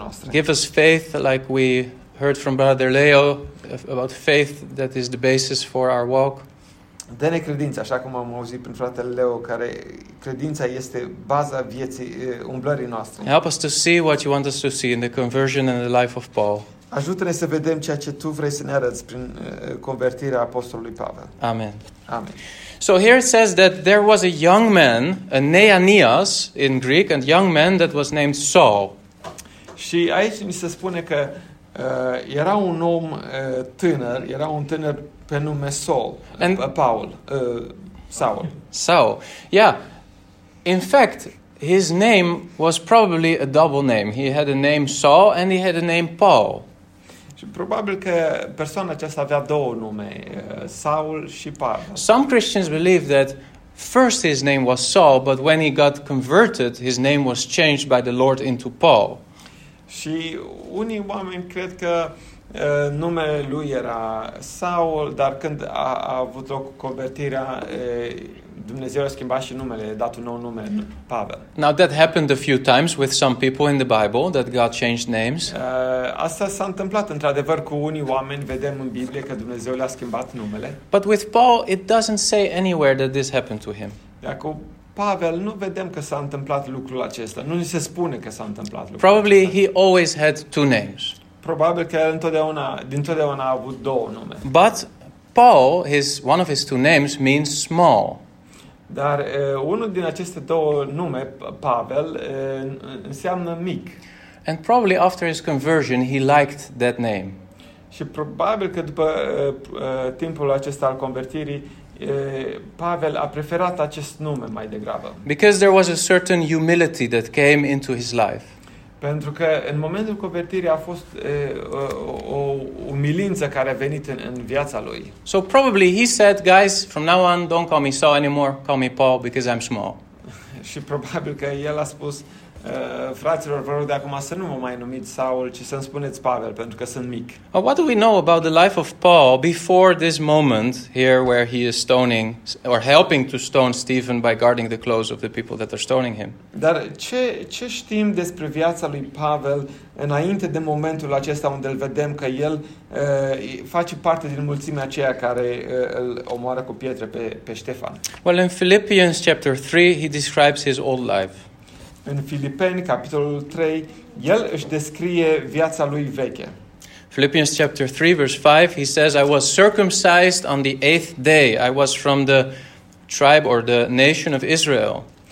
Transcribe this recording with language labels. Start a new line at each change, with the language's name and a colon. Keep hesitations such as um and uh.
English: Give us faith like we heard from Brother Leo about faith that is the basis for our walk.
Romanian: Dă necredință, așa cum am auzit prin fratele Leo, care credința este baza vieții umblării noastre.
English: Help us to see what you want us to see in the conversion and the life of Paul.
Romanian: Ajută-ne să vedem ceea ce tu vrei să ne arăți prin convertirea apostolului Pavel.
English: Amen. Amen. So here it says that there was a young man, a Neanias in Greek, and young man that was named Saul.
Romanian: Și aici mi se spune că uh, era un om uh, tânăr, era un tânăr prenume Saul, and uh, Paul, uh, Saul.
English: Saul, so, yeah. In fact, his name was probably a double name. He had a name Saul and he had a name Paul.
Romanian: Probably Probabil person persoana aceasta avea două nume, Saul și Pavel.
English: Some Christians believe that first his name was Saul, but when he got converted, his name was changed by the Lord into Paul.
Romanian: Și unii oameni cred că Uh, numele lui era Saul, dar când a, a avut loc convertirea, eh, Dumnezeu a schimbat și numele, a dat un nou nume, Pavel.
English: Now that happened a few times with some people in the Bible that God changed names. Uh,
Romanian: asta s-a întâmplat într adevăr cu unii oameni, vedem în Biblie că Dumnezeu le-a schimbat numele.
English: But with Paul it doesn't say anywhere that this happened to him.
Romanian: Iacob Pavel, nu vedem că s-a întâmplat lucrul acesta. Nu ni se spune că s-a întâmplat lucrul
English: Probably acesta. he always had two names
Romanian: probabil că el întotdeauna, dintotdeauna a avut două nume.
English: But Paul, his, one of his two names means small.
Romanian: Dar uh, unul din aceste două nume, Pavel, uh, înseamnă mic.
English: And probably after his conversion, he liked that name.
Romanian: Și probabil că după uh, timpul acesta al convertirii, uh, Pavel a preferat acest nume mai degrabă.
English: Because there was a certain humility that came into his life.
Romanian: Pentru că în momentul convertirii a fost e, o, o, umilință care a venit în, în viața lui.
English: So probably he said, guys, from now on don't call me Saul so anymore, call me Paul because I'm small.
Romanian: Și probabil că el a spus, Uh, fraților, vă rog de acum să nu mă mai numiți Saul, ci să-mi spuneți Pavel, pentru că sunt mic.
English: Uh, what do we know about the life of Paul before this moment here where he is stoning or helping to stone Stephen by guarding the clothes of the people that are stoning him?
Romanian: Dar ce, ce știm despre viața lui Pavel înainte de momentul acesta unde îl vedem că el uh, face parte din mulțimea aceea care uh, îl omoară cu pietre pe, pe Ștefan?
English: Well, in Philippians chapter 3, he describes his old life.
Romanian: în Filipeni 3, el își descrie viața
English: Philippians chapter 3 verse 5 he says I was circumcised on the eighth day I was from the tribe or the nation of Israel.